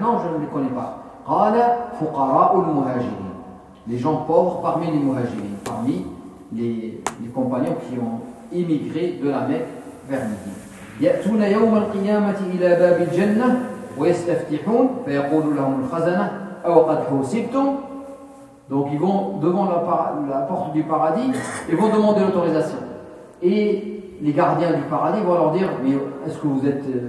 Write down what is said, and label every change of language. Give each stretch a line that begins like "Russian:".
French: Non, je ne les connais pas.
Arabic: قال فقراء المهاجرين.
French: Les gens pauvres parmi les muhajirins, parmi les compagnons qui ont immigré de la Mecque vers Midi.
Arabic: يأتون يوم القيامة إلى باب الجنة ويستفتحون فيقول لهم الخزنة أو قد حسبتم.
French: Donc ils vont devant la porte du paradis et vont demander l'autorisation. Et les gardiens du paradis vont leur dire, mais est-ce que vous êtes...